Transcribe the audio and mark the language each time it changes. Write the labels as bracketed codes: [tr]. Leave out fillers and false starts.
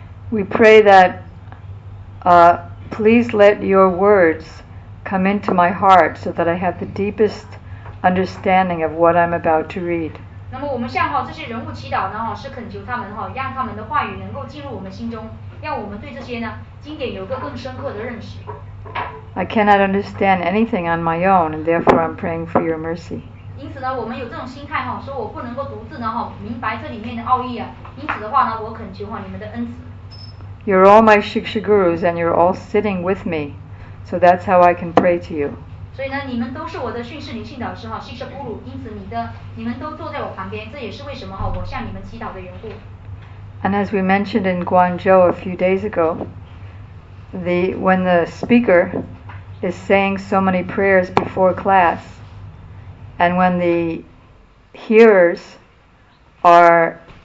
[en] We pray that, please let your words come into my heart so that I have the deepest understanding of what I'm about to read. [zh] 那么我们向这些人物祈祷呢，是恳求他们，让他们的话语能够进入我们心中，让我们对这些呢经典有个更深刻的认识。 [en] I cannot understand anything on my own, and therefore I'm praying for your mercy. [zh] 因此呢，我们有这种心态，说我不能够独自明白这里面的奥义，因此的话呢，我恳求你们的恩慈。 [en] You're all my Shiksha Gurus, and you're all sitting with me, so that's how I can pray to you. [zh] 所以呢，你们都是我的训示灵性导师，Shiksha Guru，因此你们都坐在我旁边，这也是为什么我向你们祈祷的缘故。 [en] And as we mentioned in Guangzhou a few days ago, when the speaker is saying so many prayers before class, and when the hearers are